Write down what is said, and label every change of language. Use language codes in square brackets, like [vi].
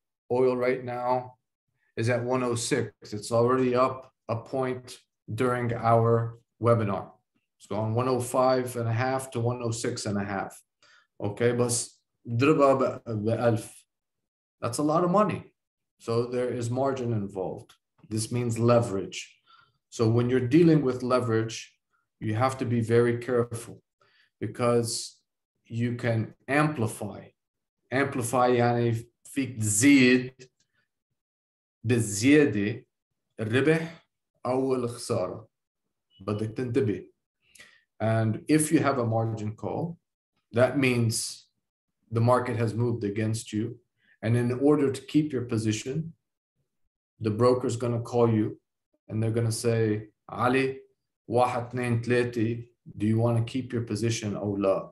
[en] Oil right now is at 106. It's already up a point during our webinar. It's gone 105 and a half to 106 and a half. [ar] Okay, بس ضربها بألف. [en] That's a lot of money. So there is margin involved. This means leverage. So when you're dealing with leverage, you have to be very careful because you can amplify. [ar] Amplify يعني فيك تزيد بالزيادة الربح أو الخسارة. بدك تنتبه. [en] And if you have a margin call, that means the market has moved against you. And in order to keep your position, the broker is going to call you and they're going to say, Ali, 1, 2, 3, do you want to keep your position? Or la?